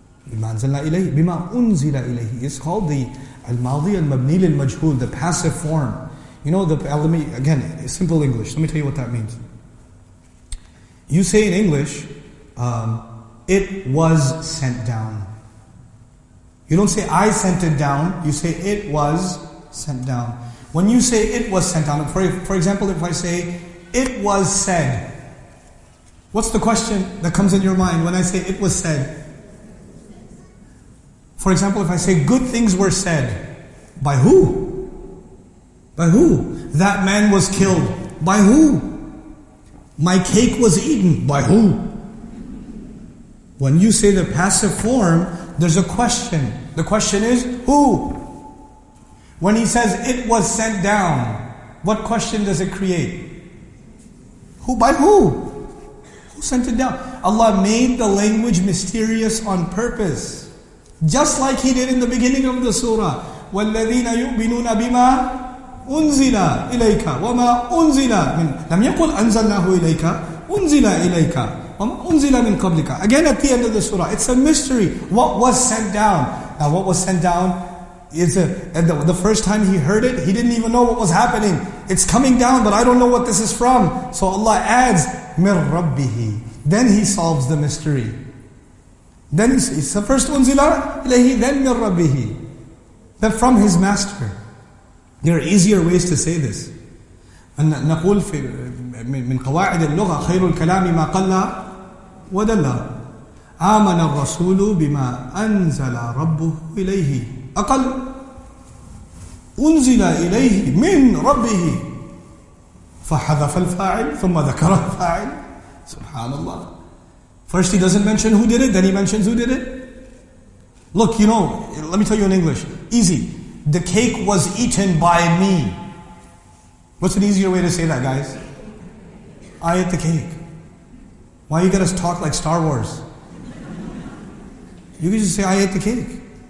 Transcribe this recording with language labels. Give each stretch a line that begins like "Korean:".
Arabic: بِمَا أَنزَلْنَا إِلَيْهِ بِمَا أُنزِلَ إِلَيْهِ
English: It's called the
Arabic: الْمَاضِي الْمَبْنِي لِلْمَجْهُولِ
English: The passive form. You know, again, simple English. Let me tell you what that means. You say in English, it was sent down. You don't say, I sent it down. You say, it was sent down. When you say, it was sent down, for example, if I say, it was said, what's the question that comes in your mind when I say, it was said? For example, if I say, good things were said. By who? By who? That man was killed. By who? My cake was eaten. By who? When you say the passive form, there's a question. The question is, who? When he says, it was sent down, what question does it create? Who? By who? Who sent it down? Allah made the language mysterious on purpose. Just like he did in the beginning of the surah.
Arabic: وَالَّذِينَ يُؤْمِنُونَ بِمَا أُنزِلَ إِلَيْكَ وَمَا أُنزِلَ مِنْ لَمْ يَقُلْ أَنزَلْنَاهُ إِلَيْكَ أُنزِلَ إِلَيْكَ وَمَا أُنزِلَ مِنْ قَبْلِكَ
English: Again at the end of the surah. It's a mystery. What was sent down? Now what was sent down is the first time he heard it, he didn't even know what was happening. It's coming down, but I don't know what this is from. So Allah adds,
Arabic: مِنْ رَبِّهِ
English: Then he solves the mystery. Then it's the first
Arabic: unzila ilayhi,
English: then
Arabic: mir rabbihi.
English: Then from his master. There are easier ways to say this.
Arabic: And نقول في من قواعد اللغة خير الكلام ما قل ودل آمن الرسول بما أنزل ربه إليه أقل أنزل إليه من ربه فحذف الفاعل ثم ذكر الفاعل سبحان الله.
English: First he doesn't mention who did it, then he mentions who did it. Look, you know, let me tell you in English. Easy. The cake was eaten by me. What's an easier way to say that, guys? I ate the cake. Why you gotta talk like Star Wars? You can just say, I ate the cake.